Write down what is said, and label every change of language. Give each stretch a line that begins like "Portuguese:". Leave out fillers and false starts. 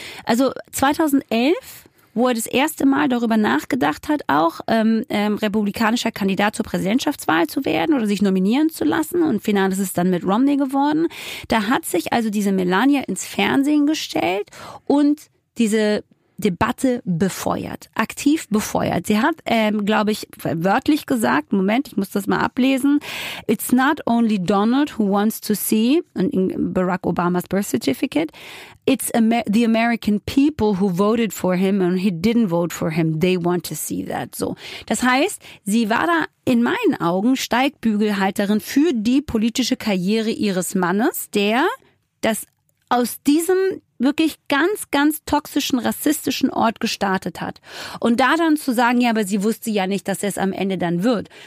German: Also 2011, wo er das erste Mal darüber nachgedacht hat, auch republikanischer Kandidat zur Präsidentschaftswahl zu werden oder sich nominieren zu lassen und final ist es dann mit Romney geworden, da hat sich also diese Melania ins Fernsehen gestellt und diese Debatte befeuert, aktiv befeuert. Sie hat, glaube ich, wörtlich gesagt, Moment, ich muss das mal ablesen,
English: it's not only Donald who wants to see Barack Obama's birth certificate, it's the American people who voted for him and he didn't vote for him, they want to see that.
German: So, das heißt, sie war da in meinen Augen Steigbügelhalterin für die politische Karriere ihres Mannes, der das aus diesem wirklich ganz, ganz toxischen, rassistischen Ort gestartet hat. Und da dann zu sagen, ja, aber sie wusste ja nicht, dass es am Ende dann wird.